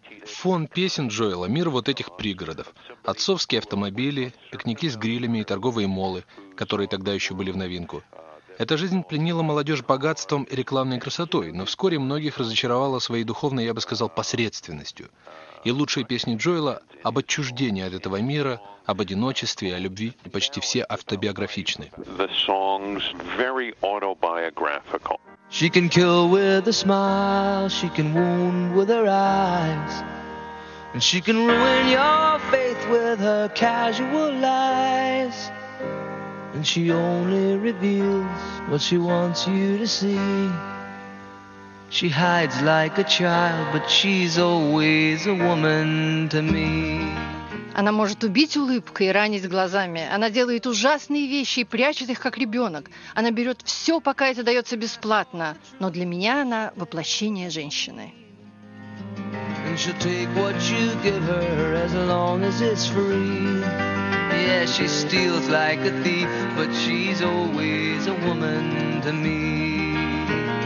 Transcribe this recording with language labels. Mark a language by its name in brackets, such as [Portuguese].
[Russian] Фон песен Джоэла – мир вот этих пригородов. Отцовские автомобили, пикники с грилями и торговые моллы, которые тогда еще были в новинку. Эта жизнь пленила молодежь богатством и рекламной красотой, но вскоре многих разочаровала своей духовной, я бы сказал, посредственностью. И лучшие песни Джоэла – об отчуждении от этого мира, об одиночестве, о любви, и почти все автобиографичны. [English] The songs very autobiographical. She can kill with a smile, she can wound with her eyes, and she can ruin your faith with her casual lies. And she only reveals what she wants you to see. She hides like a child, but she's always a woman to me. [Russian] Она может убить улыбкой и ранить глазами. Она делает ужасные вещи и прячет их, как ребенок. Она берет все, пока это дается бесплатно. Но для меня она воплощение женщины. [English] And she'll take what you give her as long as it's free. Yeah, she steals like a thief, but she's always a woman to me.